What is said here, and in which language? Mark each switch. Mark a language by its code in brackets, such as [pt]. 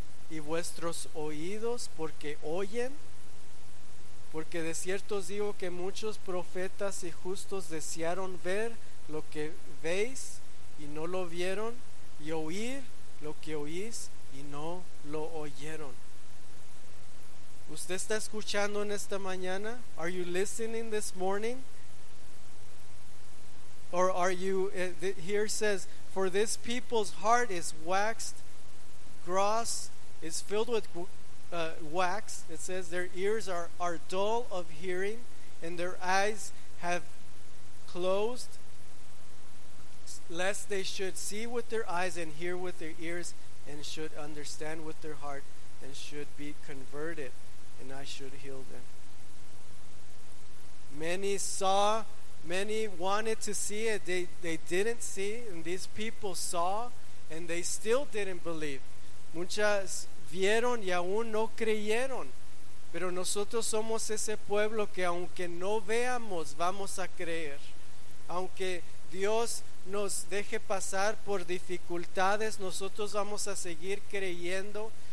[es] Y vuestros oídos porque oyen. Porque de cierto os digo que muchos profetas y justos desearon ver lo que veis y no lo vieron, y oír lo que oís y no lo oyeron. ¿Usted está escuchando en esta mañana? [en] Are you listening this morning? Or are you, here says, for this people's heart is waxed gross, is filled with wax. It says their ears are dull of hearing and their eyes have closed, lest they should see with their eyes and hear with their ears and should understand with their heart and should be converted and I should heal them. Many wanted to see it. They didn't see, and these people saw and they still didn't believe. [es] Muchas vieron y aún no creyeron, pero nosotros somos ese pueblo que aunque no veamos vamos a creer. Aunque Dios nos deje pasar por dificultades, nosotros vamos a seguir creyendo.